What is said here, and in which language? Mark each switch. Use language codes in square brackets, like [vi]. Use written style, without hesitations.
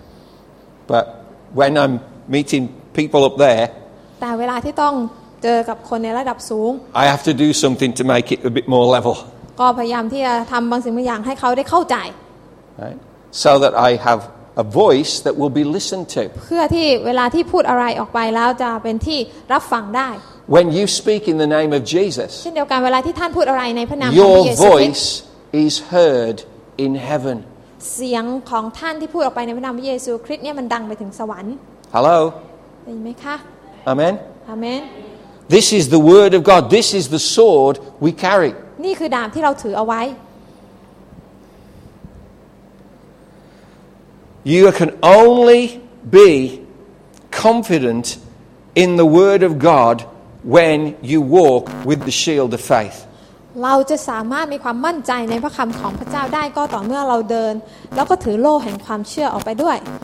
[en] ๆ But when I'm meeting people up there, [th] แต่เวลาที่ต้องเจอกับคนในระดับสูง [en] I have to do something to make it a bit more level. [th] ก็พยายามที่จะทำบางสิ่งบางอย่างให้เขาได้เข้าใจ [en] Right. So that I have a voice that will be listened to. [th] เพื่อที่เวลาที่พูดอะไรออกไปแล้วจะเป็นที่รับฟังได้ [en] When you speak in the name of Jesus, [th] เช่นเดียวกันเวลาที่ท่านพูดอะไรในพระนามของพระเย [en] ซู Your voice is heard. In heaven. [th] เสียงของท่านที่พูดออกไปในพระนามพระเยซูคริสต์เนี่ยมันดังไปถึงสวรรค์ [en] Hello. [th] ได้ยินไหมคะ [en] Amen. Amen. This is the word of God. This is the sword we carry. [th] นี่คือดาบที่เราถือเอาไว้ [en] You can only be confident in the word of God when you walk with the shield of faith. [th] เราจะสามารถมีความมั่นใจในพระคำของพระเจ้าได้ก็ต่อเมื่อเราเดินแล้วก็ถือโล่แห่งความเชื่อออกไปด้วย